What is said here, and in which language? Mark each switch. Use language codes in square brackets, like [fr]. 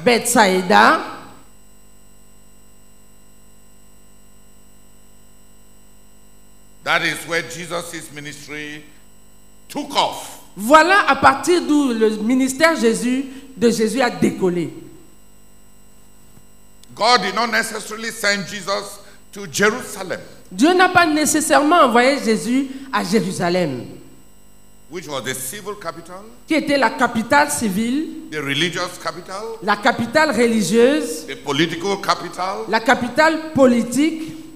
[en] Bethsaida. That is where Jesus' ministry took off. [fr] Voilà à partir d'où le ministère de Jésus a décollé. [en] God did not necessarily send Jesus to Jerusalem. [fr] Dieu n'a pas nécessairement envoyé Jésus à Jérusalem. [en] Which was the civil capital? [fr] Qui était la capitale civile? [en] The religious capital? [fr] La capitale religieuse? [en] The political capital? [fr] La capitale politique?